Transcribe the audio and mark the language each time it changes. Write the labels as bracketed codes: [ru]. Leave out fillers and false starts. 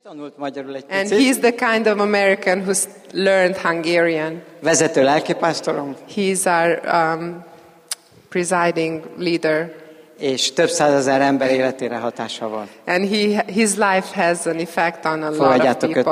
[en] And he's the kind of American who's learned Hungarian. [hu] Vezető lelkipásztorom. [en] He's our presiding leader. [hu] És több százezer ember életére hatása van. [en] And his life has an effect on a lot of people.